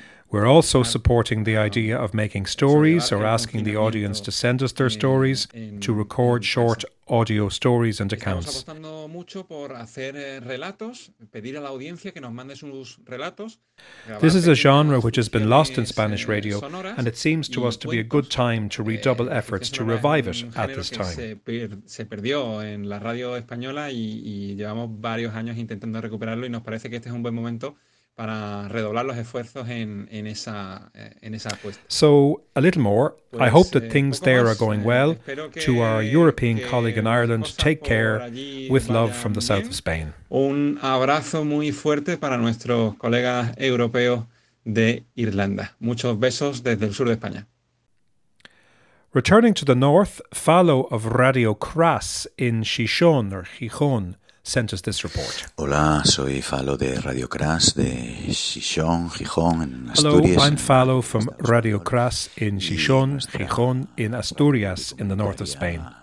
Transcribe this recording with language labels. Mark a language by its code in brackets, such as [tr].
[en] We're also supporting the idea of making stories or asking the audience to send us their stories to record short audio stories and accounts. [es] Estamos apostando mucho por hacer relatos, pedir a la audiencia que nos mande sus relatos. [en] This is a genre which has been lost in Spanish radio, and it seems to us to be a good time to redouble efforts to revive it at this time. [es] Se perdió en la radio española y llevamos varios años intentando recuperarlo y nos parece que este es un buen momento para redoblar los esfuerzos en esa apuesta. [en] So, a little more. [es] Pues, [en] I hope that things there [es] más, [en] are going well. To our European colleague in Ireland, take care, with love from the [es] bien. [en] South of Spain. [es] Un abrazo muy fuerte para nuestros colegas europeos de Irlanda. Muchos besos desde el sur de España. [en] Returning to the north, Falo of Radio Cras in Chichón or Gijón sent us this report. [es] Hola, soy Falo de Radio Cras de Chichón, Gijón en Asturias. [en] Hello, I'm Falo from Radio Cras in Chichón, Gijón in Asturias in the north of Spain.